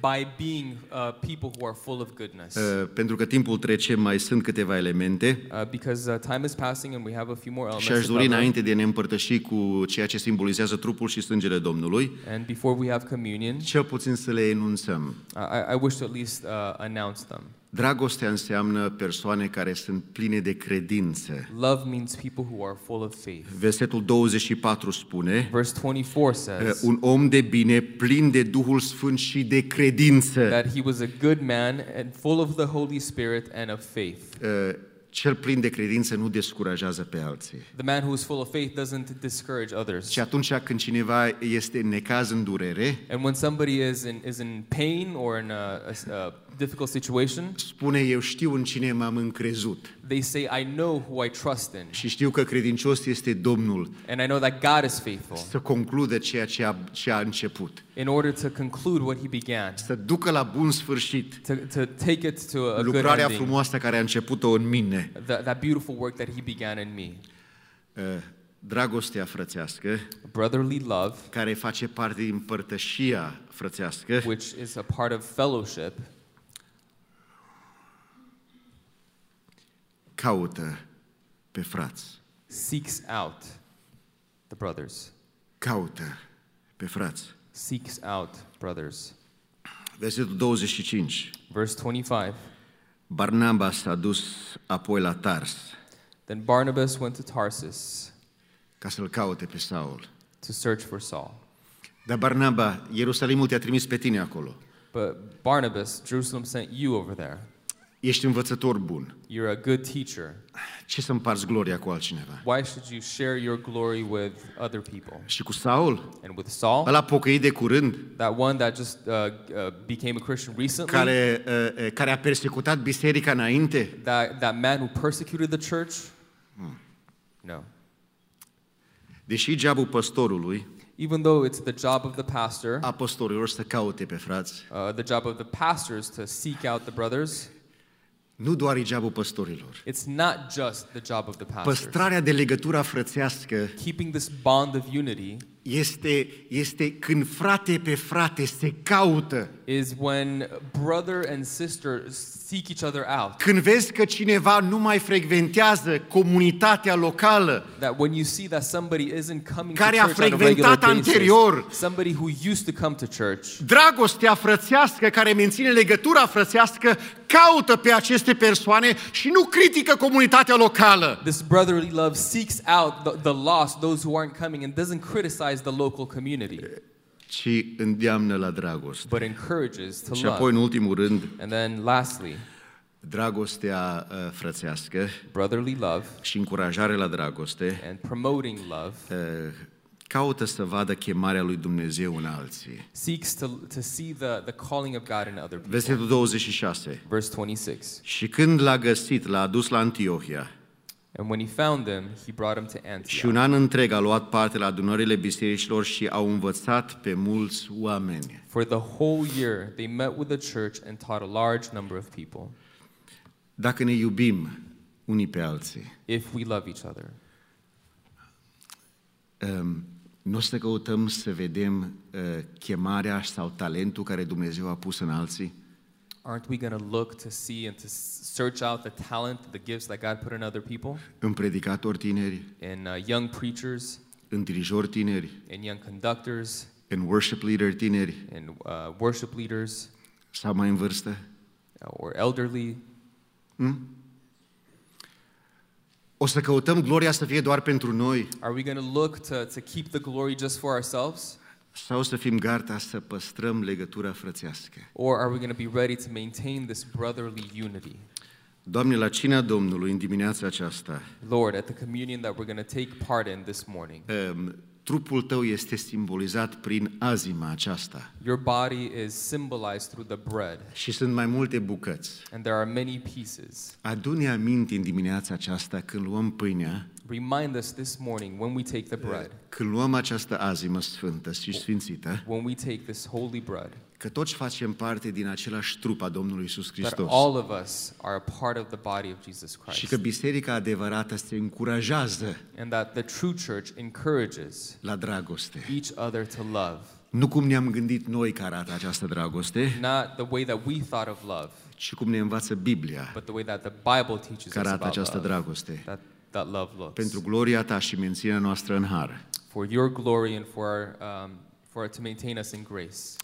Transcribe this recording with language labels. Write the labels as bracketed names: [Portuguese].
[English] By being people who are full of goodness. [Romanian] Pentru că timpul trece, mai sunt câteva elemente. [English] Because time is passing and we have a few more elements. [Romanian] Și aș dori înainte de a ne împărtăși cu ceea ce simbolizează trupul și sângele Domnului. [English] And before we have communion. [Romanian] Cel puțin să le enunțăm. [English] I wish to at least announce them. [Romanian] Dragostea înseamnă persoane care sunt pline de credință. [English] Love means people who are full of faith. [Romanian] Versetul 24 spune. [English] Verse 24 says. [Romanian] Un om de bine, plin de Duhul Sfânt și de credință. [English] That he was a good man and full of the Holy Spirit and of faith. [Romanian] Cel plin de credință nu descurajează pe alții. [English] The man who is full of faith doesn't discourage others. [Romanian] Și atunci când cineva este în necaz, în durere, [English] and when somebody is in pain or in a difficult situation, [Romanian] spune eu știu în cine m-am încrezut. [English] They say I know who I trust in. [Romanian] Și știu că credincios este Domnul. [English] And I know that God is faithful. [Romanian] Să concludă ceea ce a început. [English] In order to conclude what he began. [Romanian] Să ducă la bun sfârșit. [English] To take it to a good ending. [Romanian] Lucrarea frumoasă care a început-o în mine. [English] That beautiful work that he began in me. [Romanian] Dragostea frățească, [English] brotherly love, [Romanian] care face parte din părtășia frățească, [English] which is a part of fellowship. [Romanian] Caută pe frați. [English] Seeks out the brothers. [Romanian] Caută pe frați. [English] Seeks out brothers. [Romanian] Versetul 25. [English] Verse 25. [Romanian] Barnaba s-a dus apoi la Tars. [English] Then Barnabas went to Tarsus. [Romanian] ca să-l caute pe Saul. [English] To search for Saul. [Romanian] Dar Barnaba, Ierusalimul te-a trimis pe tine acolo. [English] But Barnabas, Jerusalem sent you over there. [Romanian] Ești învățător bun. [English] You're a good teacher. [Romanian] Ce să împarți gloria cu altcineva? [English] Why should you share your glory with other people? [Romanian] Și cu Saul? [English] And with Saul? [Romanian] Ăla pocăit de curând? [English] That one that just became a Christian recently? [Romanian] Care a persecutat biserica înainte? [English] That man who persecuted the church? No. [Romanian] Deși jobul pastorului, [English] even though it's the job of the pastor, [Romanian] a pastorilor să caute pe frați, [English] the job of the pastor is to seek out the brothers, [Romanian] nu doar e jobul păstorilor. [English] It's not just the job of the pastors. [Romanian] Păstrarea de legătura frățească, [English] keeping this bond of unity, [Romanian] este când frate pe frate se caută. [English] Is when brother and sister seek each other out. [Romanian] Când vezi că cineva nu mai frecventează comunitatea locală, [English] that when you see that somebody isn't coming, [Romanian] care [English] to [Romanian] a frecventat anterior, [English] somebody who used to come to church, [Romanian] dragostea frățească care menține legătura frățească caută pe aceste persoane și nu critică comunitatea locală. [English] This brotherly love seeks out the lost, those who aren't coming, and doesn't criticize the local community. [Romanian] Ci îndeamnă la dragoste. [English] But encourages to love. [Romanian] Și apoi, în ultimul rând, [English] and then lastly, [Romanian] dragostea frățească, [English] brotherly love, [Romanian] și încurajarea la dragoste, [English] and promoting love, [Romanian] caută să vadă chemarea lui Dumnezeu în alții. [English] Seeks to see the calling of God in other people. [Romanian] Versetul 26. [English] Verse 26. [Romanian] Și când l-a găsit, l-a adus la Antiohia. [English] And when he found them, he brought them to Antioch. [Romanian] Și un an întreg a luat parte la adunările bisericilor și au învățat pe mulți oameni. [English] For the whole year they met with the church and taught a large number of people. [Romanian] Dacă ne iubim unii pe alții. [English] If we love each other. [Romanian] Nu o să căutăm să vedem chemarea sau talentul care Dumnezeu a pus în alții? [English] Aren't we going to look to see and to search out the talent, the gifts that God put in other people? [Romanian] În predicatori tineri. [English] In young preachers. [Romanian] În dirijori tineri. [English] In young conductors. [Romanian] În worship leader tineri. [English] In worship leaders. [Romanian] Sau mai în vârstă. [English] Or elderly. [Romanian] O să căutăm gloria să fie doar pentru noi? [English] Are we going to look to keep the glory just for ourselves? [Romanian] Sau să fim gata să păstrăm legătura frățească? [English] Or are we going to be ready to maintain this brotherly unity? [Romanian] Doamne, la cina Domnului în dimineața aceasta. [English] Lord, at the communion that we're going to take part in this morning. [Romanian] Trupul tău este simbolizat prin azima aceasta. [English] Your body is symbolized through the bread. [Romanian] Și sunt mai multe bucăți. [English] And there are many pieces. [Romanian] Adu-ne aminte în dimineața aceasta când luăm pâinea. [English] Remind us this morning when we take the bread. [Romanian] Când luăm această azimă sfântă și sfințită. [English] When we take this holy bread. [Romanian] Că toți facem parte din același trup a Domnului Iisus Hristos. [English] That all of us are a part of the body of Jesus Christ. [Romanian] Și că biserica adevărată se încurajează. [English] And that the true church encourages. [Romanian] La dragoste. [English] Each other to love. [Romanian] Nu cum ne-am gândit noi că arată această dragoste. [English] Not the way that we thought of love. [Romanian] Ci cum ne învață Biblia. [English] But the way that the Bible teaches us about love. [Romanian] Că arată această dragoste. [English] That love looks. [Romanian] Pentru gloria ta și menținerea noastră în har. [English] For your glory and for our, for it to maintain us in grace.